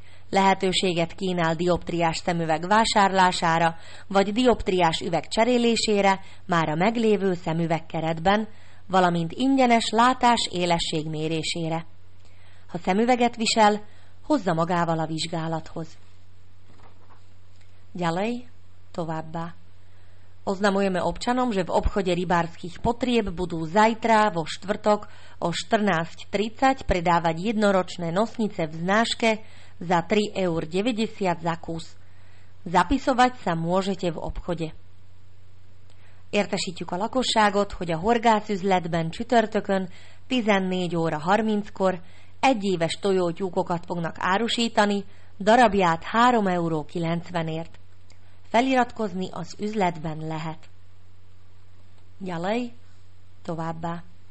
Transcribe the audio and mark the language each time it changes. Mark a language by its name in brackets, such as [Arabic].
[Hungarian] Lehetőséget kínál dioptriás szemüveg vásárlására, vagy dioptriás üveg cserélésére már a meglévő szemüvegkeretben, valamint ingyenes látás élesség mérésére. Ha szemüveget visel, hozza magával a vizsgálathoz. [Slovak] Ďalej, [Hungarian] továbbá. [Slovak] Oznamujeme občanom, že v obchode rybárskych potrieb budú zajtra vo štvrtok o 14:30 predávať jednoročné nosnice v znáške za 3,90 € za kus. Zapisovať sa môžete v obchode. [Hungarian] Értesítjük a lakosságot, hogy a horgászüzletben csütörtökön 14:30-kor egyéves tojótyúkokat fognak árusítani, darabját 3,90 €. Feliratkozni az üzletben lehet. [Slovak] Ďalej, [Hungarian] továbbá.